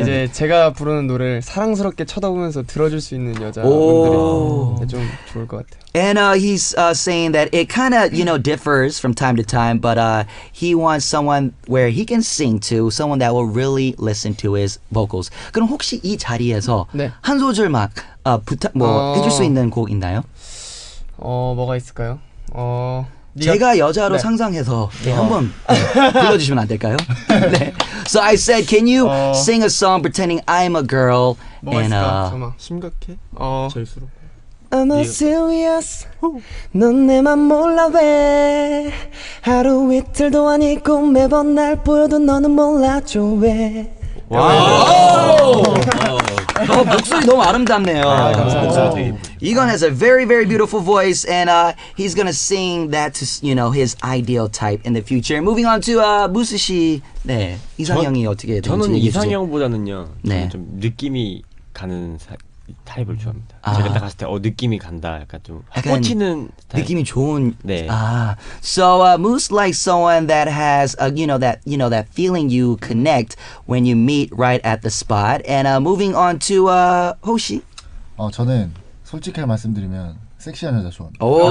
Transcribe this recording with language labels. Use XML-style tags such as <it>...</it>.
<ko>이제 제가 부르는 노래를 사랑스럽게 쳐다보면서 들어줄 수 있는 여자분들이 좀 좋을 것 같아요.</ko> <en>And he's saying that it kind of, you know, differs from time to time, but he wants someone where he can sing to, someone that will will really listen to his vocals.</en> <ko>그럼 혹시 이 자리에서 네. 한 소절 막 부탁 뭐 해줄 수 있는 곡 있나요? 뭐가 있을까요? 제가 여자로 네. 상상해서 네, 한번 불러주시면 안 될까요? 네.</ko> <en>So I said, can you sing a song pretending I'm a girl?</en> <ko>뭐가 and, 있을까? 심각해? 재수록.</ko> <en>I'm not serious.</en> <ko>넌 내 맘 몰라 왜 하루 이틀도 아니고 매번 날 보여도 너는 몰라줘 왜. 와. 목소리 너무 아름답네요. 이건</ko> <en>has a very very beautiful voice and he's gonna sing that to you know his ideal type in the future. Moving on to 무스 씨. 네.</en> <ko>이상형이 어떻게 되는지. 저는 이상형보다는요. 네. 좀 느낌이 가는 타입을 좋아합니다. 아. 제가 딱 갔을 때 느낌이 간다. 약간 좀 꽂히는 느낌이 좋은. 네.</ko> <en>아, so Moose likes someone that has that feeling you connect when you meet right at the spot. And moving on to Hoshi.</en> <ko>저는 솔직히 말씀드리면 섹시한 여자 좋아합니다.</ko>